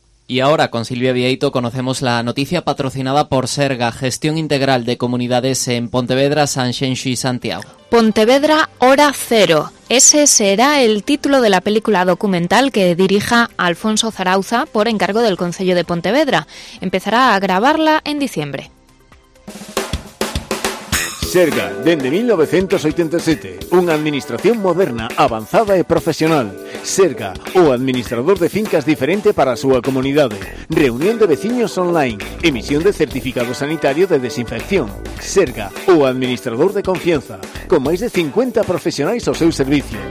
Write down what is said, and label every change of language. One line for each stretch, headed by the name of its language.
Spanish: Y ahora con Silvia Vieito conocemos la noticia patrocinada por Serga, gestión integral de comunidades en Pontevedra, Sanxenxo y Santiago. Pontevedra Hora Cero. Ese será el título de la película documental que dirija Alfonso Zarauza por encargo del Concello de Pontevedra. Empezará a grabarla en diciembre.
Galician: Serga, dende 1987, unha administración moderna, avanzada e profesional. Serga, o administrador de fincas diferente para a súa comunidade. Reunión de veciños online, emisión de certificado sanitario de desinfección. Serga, o administrador de confianza, con máis de 50 profesionais ao seu servicio.